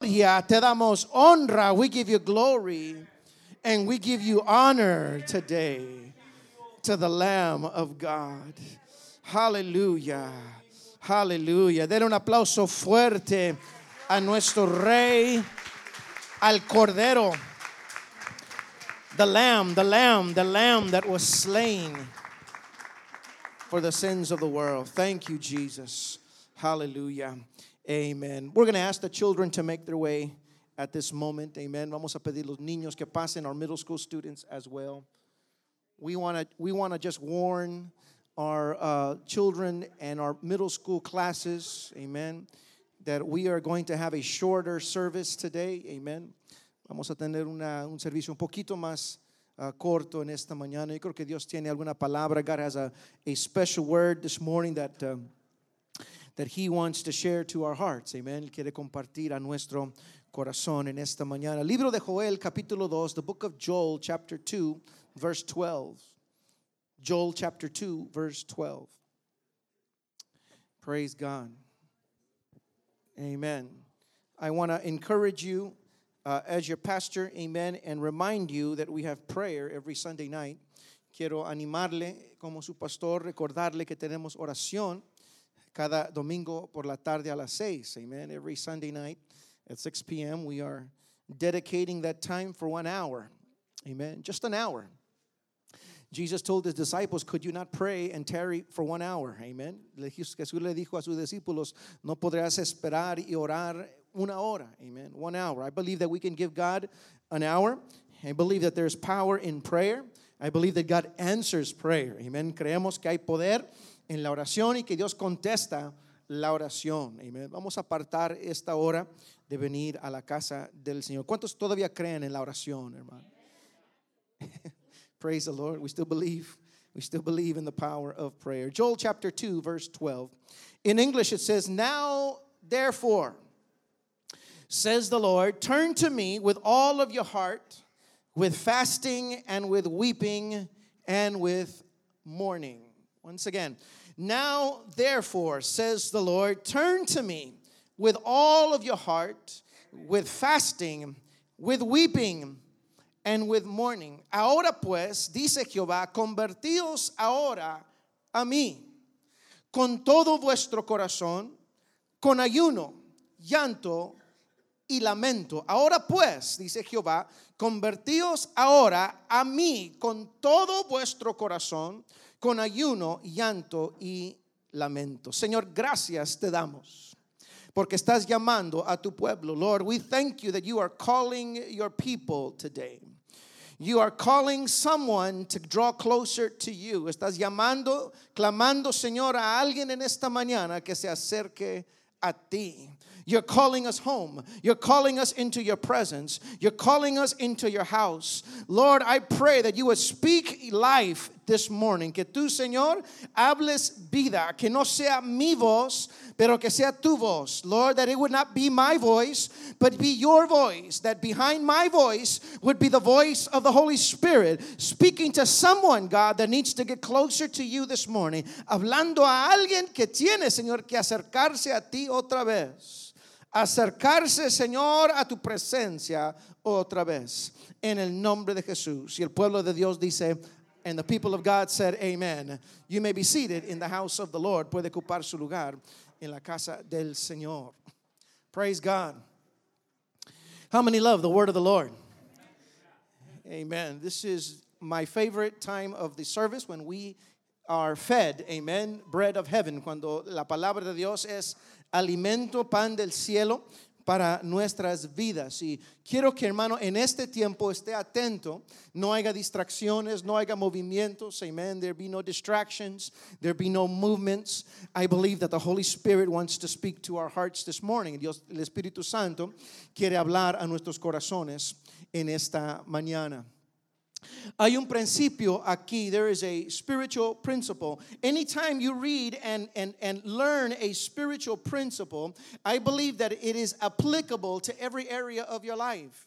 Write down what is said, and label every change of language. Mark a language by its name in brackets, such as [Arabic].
[Spanish] gloria, te damos honra, [English] we give you glory, and we give you honor today to the Lamb of God. Hallelujah. Hallelujah. [Spanish] Denle un aplauso fuerte a nuestro Rey, al Cordero. [English] The Lamb that was slain for the sins of the world. Thank you, Jesus. Hallelujah. Amen. We're going to ask the children to make their way at this moment. Amen. [Spanish] Vamos a pedir los niños que pasen, [English] our middle school students as well. We want to just warn our children and our middle school classes, amen, that we are going to have a shorter service today. Amen. [Spanish] Vamos a tener un servicio un poquito más corto en esta mañana. Yo creo que Dios tiene alguna palabra. [English] God has a special word this morning that he wants to share to our hearts. Amen. [Spanish] Él quiere compartir a nuestro corazón en esta mañana. Libro de Joel, capítulo 2, [English] the book of Joel, chapter 2, verse 12. Joel, chapter 2, verse 12. Praise God. Amen. I want to encourage you as your pastor, amen, and remind you that we have prayer every Sunday night. [Spanish] Quiero animarle como su pastor, recordarle que tenemos oración cada domingo por la tarde a las seis, amen. [English] Every Sunday night at 6 p.m., we are dedicating that time for 1 hour, amen, just an hour. Jesus told his disciples, could you not pray and tarry for 1 hour, amen. [Spanish] Jesús le dijo a sus discípulos, no podrás esperar y orar una hora, amen, [English] 1 hour. I believe that we can give God an hour. I believe that there is power in prayer. I believe that God answers prayer, amen. [Spanish] Creemos que hay poder en la oración y que Dios contesta la oración. Amen. Vamos a apartar esta hora de venir a la casa del Señor. ¿Cuántos todavía creen en la oración, hermano? [English] Praise the Lord. We still believe in the power of prayer. Joel chapter 2, verse 12. In English it says, now therefore, says the Lord, turn to me with all of your heart, with fasting and with weeping and with mourning. Once again, now therefore, says the Lord, turn to me with all of your heart, with fasting, with weeping, and with mourning. [Spanish] Ahora pues, dice Jehová, convertíos ahora a mí, con todo vuestro corazón, con ayuno, llanto y lamento. Ahora pues, dice Jehová, convertíos ahora a mí, con todo vuestro corazón, con ayuno, llanto y lamento. Señor, gracias te damos porque estás llamando a tu pueblo. [English] Lord, we thank you that you are calling your people today. You are calling someone to draw closer to you. [Spanish] Estás llamando, clamando, Señor, a alguien en esta mañana que se acerque a ti. [English] You're calling us home. You're calling us into your presence. You're calling us into your house. Lord, I pray that you would speak life this morning. [Spanish] Que tú, Señor, hables vida. Que no sea mi voz, pero que sea tu voz. [English] Lord, that it would not be my voice, but be your voice. That behind my voice would be the voice of the Holy Spirit speaking to someone, God, that needs to get closer to you this morning. [Spanish] Hablando a alguien que tiene, Señor, que acercarse a ti otra vez. Acercarse, Señor, a tu presencia otra vez. En el nombre de Jesús. Y el pueblo de Dios dice, [English] and the people of God said, [Spanish] amen. [English] You may be seated in the house of the Lord. [Spanish] Puede ocupar su lugar en la casa del Señor. [English] Praise God. How many love the word of the Lord? Amen. This is my favorite time of the service when we are fed, amen, bread of heaven. [Spanish] Cuando la palabra de Dios es alimento, pan del cielo para nuestras vidas. Y quiero que, hermano, en este tiempo esté atento. No haya distracciones, no haya movimientos. Amen. [English] There be no distractions. There be no movements. I believe that the Holy Spirit wants to speak to our hearts this morning. [Spanish] Dios, el Espíritu Santo quiere hablar a nuestros corazones en esta mañana. Hay un principio aquí. [English] There is a spiritual principle. Anytime you read and learn a spiritual principle, I believe that it is applicable to every area of your life.